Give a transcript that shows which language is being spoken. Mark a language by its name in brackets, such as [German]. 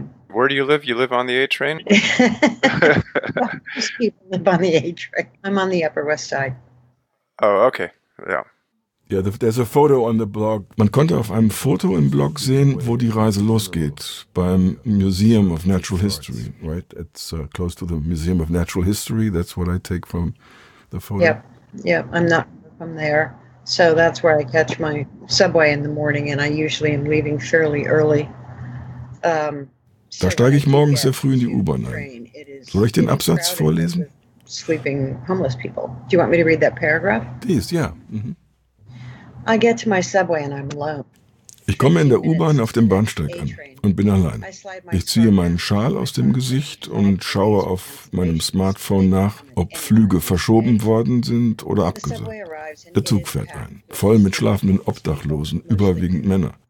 [English] Where do you live? You live on the A-Train? Most people live on the A-Train. I'm on the Upper West Side. Oh, okay. Yeah. Yeah, there's a photo on the blog. [German] Man konnte auf einem Foto im Blog sehen, wo die Reise losgeht, beim Museum of Natural History, right? [English] It's close to the Museum of Natural History. That's what I take from the photo. Yeah, I'm not from there. So that's where I catch my subway in the morning, and I usually am leaving fairly early. [German] Da steige ich morgens sehr früh in die U-Bahn ein. Soll ich den Absatz vorlesen? [English] Sleeping homeless people. Do you want me to read that paragraph? Please, yeah. I get to my subway and I'm alone. [German] Ich komme in der U-Bahn auf dem Bahnsteig an und bin allein. Ich ziehe meinen Schal aus dem Gesicht und schaue auf meinem Smartphone nach, ob Flüge verschoben worden sind oder abgesagt. Der Zug fährt ein, voll mit schlafenden Obdachlosen, überwiegend Männer.